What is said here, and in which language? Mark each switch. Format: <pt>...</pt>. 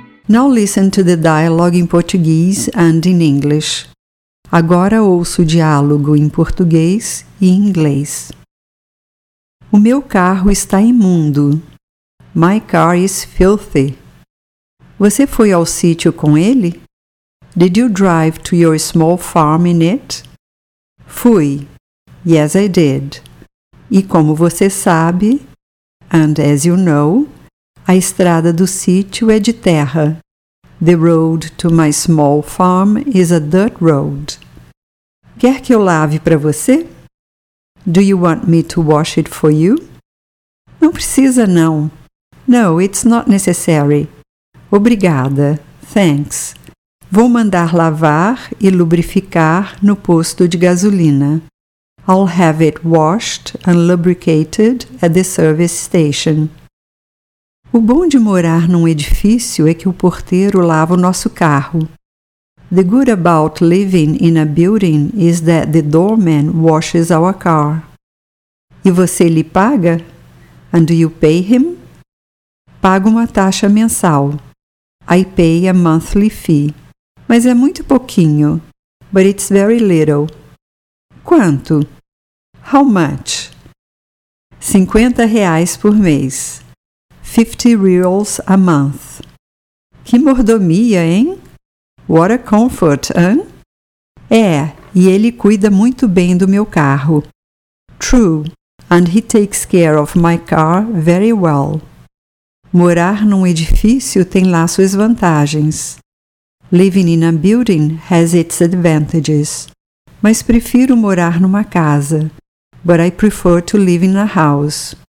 <en>Now listen to the dialogue in Portuguese and in English.</en> <pt>Agora ouço o diálogo em português e em inglês. O meu carro está imundo.</pt> <en>My car is filthy.</en> <pt>Você foi ao sítio com ele?</pt> <en>Did you drive to your small farm in it?</en> <pt>Fui.</pt> <en>Yes, I did.</en> <pt>E como você sabe,</pt> <en>and as you know,</en> <pt>a estrada do sítio é de terra.</pt> <en>The road to my small farm is a dirt road.</en> <pt>Quer que eu lave para você?</pt> <en>Do you want me to wash it for you?</en> <pt>Não precisa, não.</pt> <en>No, it's not necessary.</en> <pt>Obrigada.</pt> <en>Thanks.</en> <pt>Vou mandar lavar e lubrificar no posto de gasolina.</pt> <en>I'll have it washed and lubricated at the service station.</en> <pt>O bom de morar num edifício é que o porteiro lava o nosso carro.</pt> <en>The good about living in a building is that the doorman washes our car.</en> <pt>E você lhe paga?</pt> <en>And do you pay him?</en> <pt>Pago uma taxa mensal.</pt> <en>I pay a monthly fee.</en> <pt>Mas é muito pouquinho.</pt> <en>But it's very little.</en> <pt>Quanto?</pt> <en>How much?</en> <pt>R$50 por mês.</pt> <en>50 reals a month.</en> <pt>Que mordomia, hein?</pt> <en>What a comfort, hein?</en> <pt>É, e ele cuida muito bem do meu carro.</pt> <en>True, and he takes care of my car very well.</en> <pt>Morar num edifício tem lá suas vantagens.</pt> <en>Living in a building has its advantages.</en> <pt>Mas prefiro morar numa casa.</pt> <en>but I prefer to live in a house.</en>